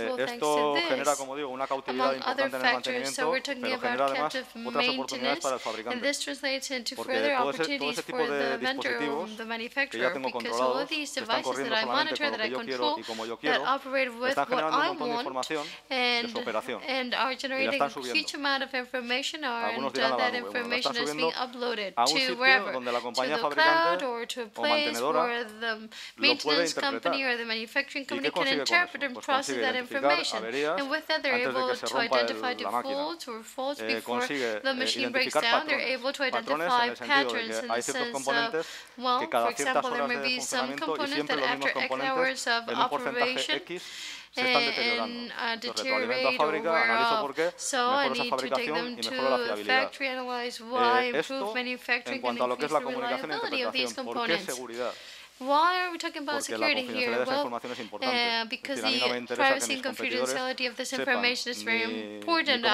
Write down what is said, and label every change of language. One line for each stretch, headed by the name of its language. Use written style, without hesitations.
Spanish: Esto genera, como digo, una cautividad importante en el mantenimiento, pero genera además otras oportunidades para el fabricante, porque todo ese tipo de dispositivos que ya tengo controlados están corriendo solamente con lo que yo quiero y como yo quiero, están generando un montón de información de su operación y la están subiendo. Algunos dirán a la nube, bueno, la están subiendo a un sitio donde la compañía fabricante
English: or to a place where the maintenance company or the manufacturing company can interpret and process that information. And with that, they're able to identify defaults or faults before the machine breaks down. They're able to identify patterns in the sense of, well, for example, there may be some components that after X hours of operation,
Spanish: se están deteriorando. Los retroalimento a fábrica, analizo por qué, mejoro esa fabricación y mejoro la fiabilidad. Esto, en cuanto a lo que es la comunicación e interpretación, ¿por qué seguridad?
English: Why are we talking about security here? Well, because the privacy and confidentiality of this information is very important.